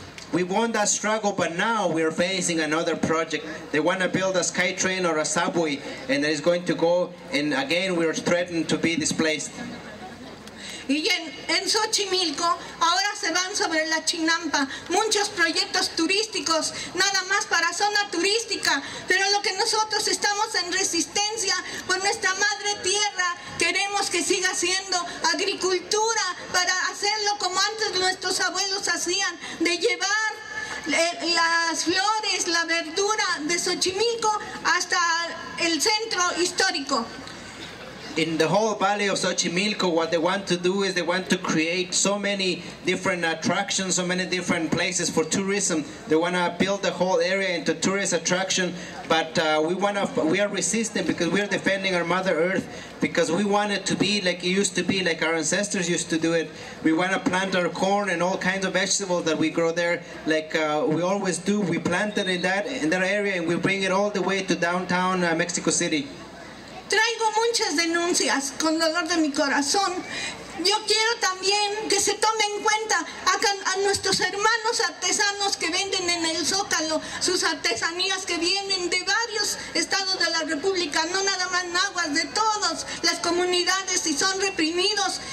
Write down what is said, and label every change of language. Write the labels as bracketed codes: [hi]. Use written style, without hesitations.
[en] We won that struggle, but now we are facing another project. They want to build a sky train or a subway, and it's going to go, and again we are threatened to be displaced. [es] Y en Xochimilco, ahora se van sobre la Chinampa, muchos proyectos turísticos, nada más para zona turística, pero lo que nosotros estamos en resistencia por nuestra madre tierra, queremos que siga siendo agricultura para hacerlo como antes nuestros abuelos hacían, de llevar las flores, la verdura de Xochimilco hasta el centro histórico. [en] In the whole valley of Xochimilco, what they want to do is they want to create so many different attractions, so many different places for tourism. They want to build the whole area into tourist attraction, but we are resisting because we are defending our Mother Earth, because we want it to be like it used to be, like our ancestors used to do it. We want to plant our corn and all kinds of vegetables that we grow there, like we always do. We plant it in that area and we bring it all the way to downtown Mexico City. [es] Traigo muchas denuncias con dolor de mi corazón. Yo quiero también que se tome en cuenta a nuestros hermanos artesanos que venden en el Zócalo sus artesanías que vienen de varios estados de la República, no nada más nahuas, de todas las comunidades y son reprimidos.